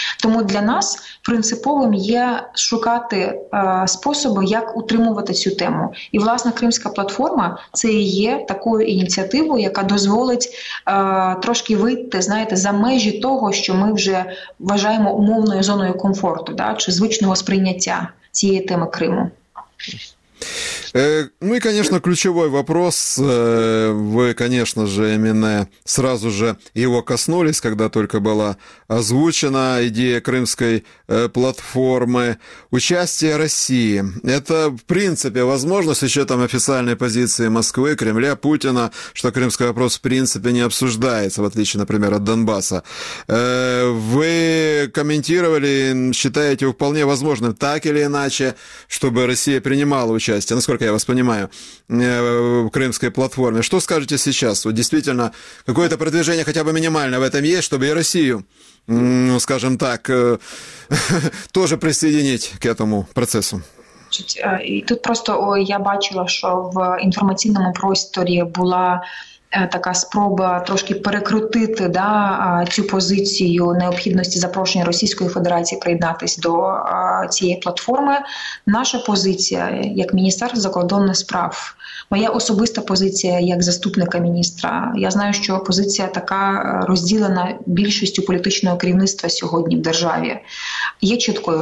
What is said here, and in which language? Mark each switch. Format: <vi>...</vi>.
<uk>Тому для нас принциповим є шукати способи, як утримувати цю тему. І, власне, Кримська платформа – це і є такою ініціативою, яка дозволить трошки вийти, знаєте, за межі того, що ми вже вважаємо умовною зоною комфорту, да, чи звичного сприйняття цієї теми Криму.</uk> <ru>Ну и, конечно, ключевой вопрос, вы, конечно же, именно сразу же его коснулись, когда только была озвучена идея Крымской платформы. Участие России – это, в принципе, возможность, еще там официальной позиции Москвы, Кремля, Путина, что Крымский вопрос, в принципе, не обсуждается, в отличие, например, от Донбасса. Вы комментировали, считаете вполне возможным, так или иначе, чтобы Россия принимала участие, насколько я вас понимаю, в Крымской платформе. Что скажете сейчас? Вот действительно, какое-то продвижение хотя бы минимальное в этом есть, чтобы и Россию, скажем так, тоже присоединить к этому процессу?</ru> <uk>И тут просто я бачила, что</uk> <ru>в информационном</ru> <uk>просторі</uk> <ru>была</ru> <uk>така спроба трошки перекрутити, да, цю позицію необхідності запрошення Російської Федерації приєднатися до цієї платформи. Наша позиція як Міністерство закордонних справ, моя особиста позиція як заступника міністра, я знаю, що позиція така розділена більшістю політичного керівництва сьогодні в державі, є чіткою.</uk>